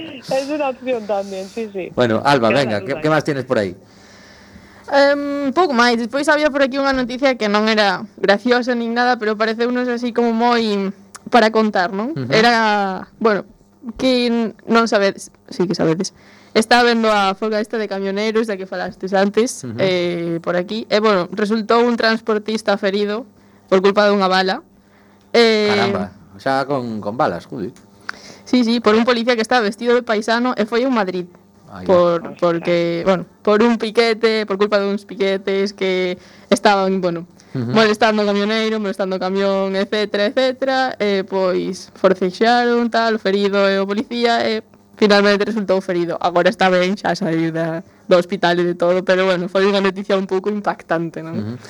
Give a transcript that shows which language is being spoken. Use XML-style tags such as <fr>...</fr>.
<es>Es una opción también, sí, sí. Bueno, Alba, venga, ¿qué más tienes por ahí?</es> <gl>Pouco máis, despois había por aquí unha noticia que non era graciosa nin nada, pero parece unos así como moi para contar, non? Uh-huh. Era, bueno, que non sabedes, sí que sabedes. Estaba vendo a folga esta de camioneros da que falastes antes, uh-huh. Por aquí. E, bueno, resultou un transportista ferido por culpa dunha bala. Caramba, xa con balas, judi. Sí, sí, por un policía que estaba vestido de paisano e foi a un Madrid. Por un piquete, por culpa duns piquetes que estaban, bueno, uh-huh. molestando camión, etcétera, pois forcexaron, tal, ferido e o policía, e finalmente resultou ferido. Agora está ben, xa saiu do hospital e de todo, pero bueno, foi unha noticia un pouco impactante, non? Uh-huh.</gl>